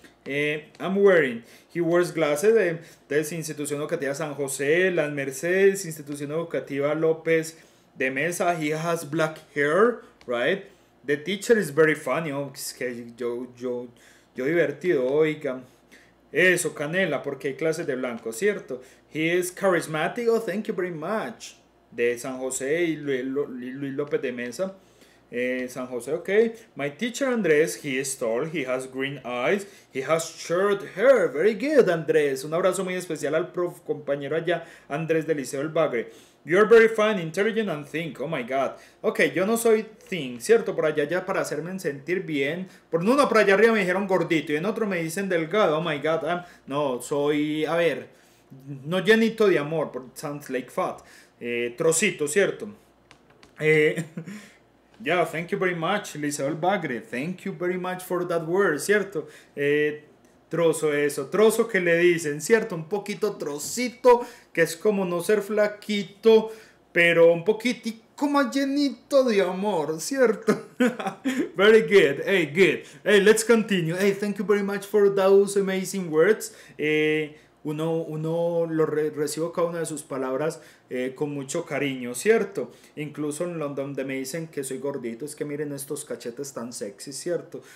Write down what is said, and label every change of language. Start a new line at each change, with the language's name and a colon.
English: I'm wearing, he wears glasses, de Institución Educativa San José, Las Mercedes, Institución Educativa López de Mesa. He has black hair, right? The teacher is very funny.
Spanish: Oh, es que yo divertido, oiga. Eso, Canela, porque hay clases de blanco, ¿cierto?
English: He is charismatic, oh, thank you very much.
Spanish: De San José y Luis López de Mesa. San José, okay.
English: My teacher Andrés, he is tall, he has green eyes, he has short hair. Very good, Andrés.
Spanish: Un abrazo muy especial al prof compañero allá, Andrés del Liceo del Bagre.
English: You're very fine, intelligent, and think. Oh my God. Okay,
Spanish: yo no soy think, ¿cierto? Por allá ya para hacerme sentir bien. Por uno, por allá arriba me dijeron gordito y en otro me dicen delgado.
English: Oh my God.
Spanish: No, soy, a ver, no llenito de amor,
English: but it sounds like fat.
Spanish: Trocito, ¿cierto?
English: Yeah, thank you very much, Lisabel Bagre. Thank you very much for that word, ¿cierto?
Spanish: Trozo eso, trozo que le dicen, ¿cierto? Un poquito trocito, que es como no ser flaquito, pero un poquitico más llenito de amor, ¿cierto?
English: Very good, hey, good. Hey, let's continue. Hey, thank you very much for those amazing words.
Spanish: Uno lo recibo cada una de sus palabras con mucho cariño, ¿cierto? Incluso en London, donde me dicen que soy gordito, es que miren estos cachetes tan sexy, ¿cierto?